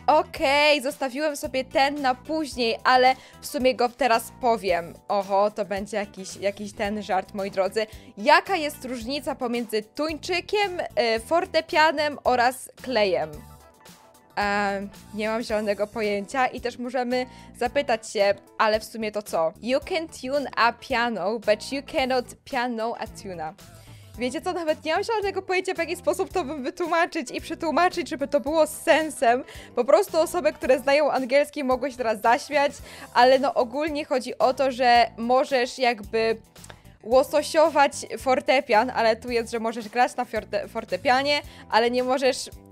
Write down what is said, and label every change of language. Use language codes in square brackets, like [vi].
[pl] Okej, zostawiłem sobie ten na później, ale w sumie go teraz powiem. Oho, to będzie jakiś ten żart, moi drodzy. Jaka jest różnica pomiędzy tuńczykiem, fortepianem oraz klejem? Nie mam zielonego pojęcia i też możemy zapytać się, ale w sumie to co? [en] You can tune a piano, but you cannot piano a tuna. [pl] Wiecie co, nawet nie mam żadnego pojęcia, w jaki sposób to bym wytłumaczyć i przetłumaczyć, żeby to było z sensem. Po prostu osoby, które znają angielski, mogły się teraz zaśmiać, ale no ogólnie chodzi o to, że możesz jakby łososiować fortepian, ale tu jest, że możesz grać na fortepianie, ale nie możesz...